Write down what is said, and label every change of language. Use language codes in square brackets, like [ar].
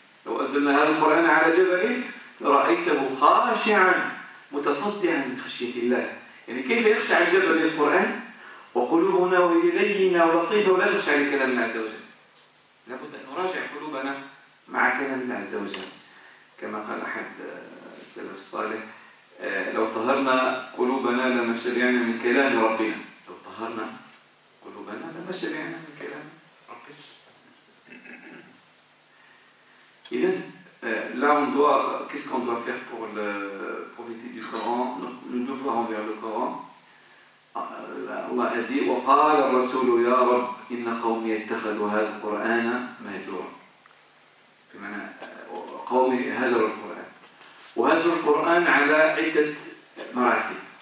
[ar] لو أنزلنا هذا القرآن على جبل لرأيته خاشعا متصدعا من خشية الله، يعني كيف يخشع الجبل القرآن وقلوبنا وهي لينة ولطيفة ولا تخشع لكلام الله عز وجل؟ لابد أن نراجع قلوبنا مع كلام الله عز وجل، كما قال أحد السلف الصالح، لو طهرنا قلوبنا لما شبعنا من كلام ربنا، لو طهرنا قلوبنا لما شبعنا من كلام ربنا. [fr] إذن là on doit, qu'est-ce qu'on doit faire pour le profiter du Coran, le devoir envers le Coran? Allah a dit [ar] وقال الرسول يا رب إن قومي اتخذوا هذا القرآن مهجورا، بمعنى قومي هجروا القرآن، وهجر القرآن على عدة مراتب.